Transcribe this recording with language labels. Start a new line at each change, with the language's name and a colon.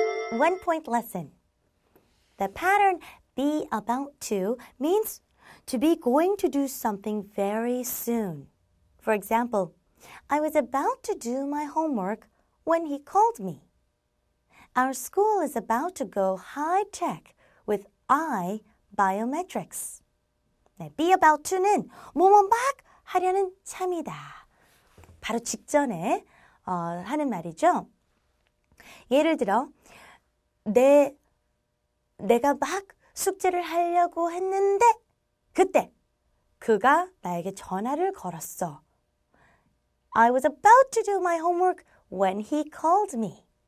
English: One point lesson. The pattern be about to means to be going to do something very soon. For example, I was about to do my homework when he called me. Our school is about to go high-tech with eye biometrics.
Korean: 네, be about to는 뭐뭐 막 하려는 참이다. 바로 직전에 하는 말이죠. 예를 들어, 내가 막 숙제를 하려고 했는데 그때 그가 나에게 전화를 걸었어.
English: I was about to do my homework when he called me.